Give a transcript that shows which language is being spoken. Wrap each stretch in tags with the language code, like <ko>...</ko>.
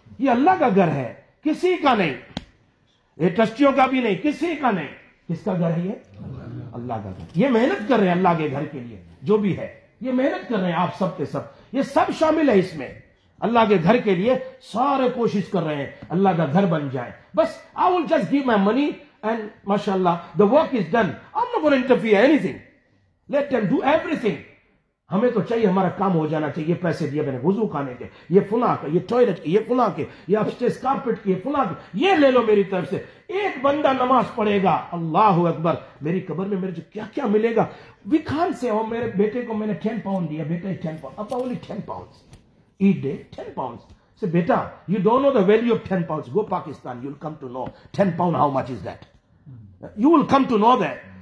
<ur>یہ اللہ کا گھر ہے, کسی کا نہیں, یہ ٹرسٹیوں کا بھی نہیں, کسی کا نہیں. کس کا گھر ہے یہ؟ اللہ کا گھر. یہ محنت کر رہے ہیں اللہ کے گھر کے لیے, جو بھی ہے یہ محنت کر رہے ہیں, آپ سب کے سب, یہ سب شامل ہے اس میں. اللہ کے گھر کے لیے سارے کوشش کر رہے ہیں اللہ کا گھر بن جائے.</ur> <en>بس I will just give my money and mashallah the work is done, I'm not going to interfere anything, let them do everything.</en> <ur>ہمیں تو چاہیے ہمارا کام ہو جانا چاہیے, یہ پیسے دیے میں نے وضو کھانے کے, یہ فلاں کا, یہ ٹوائلٹ کے, یہ فلاں کے, یہ اپسٹیئرز کارپٹ کے, یہ فلاں کے, یہ لے لو میری طرف سے. ایک بندہ نماز پڑھے گا اللہ اکبر, میری قبر میں میرے جو کیا کیا ملے گا. وی کان سے ہو میرے بیٹے کو میں نے 10 پاؤنڈ دیا, بیٹا 10 پاؤنڈ, اب</ur> <en>only 10 pound a day</en> <ur>10 pound.</ur> <en>Say, beta, you don't know the value of 10 pounds. Go Pakistan, you'll come to know. 10 pounds, how much is that? You will come to know that.</en>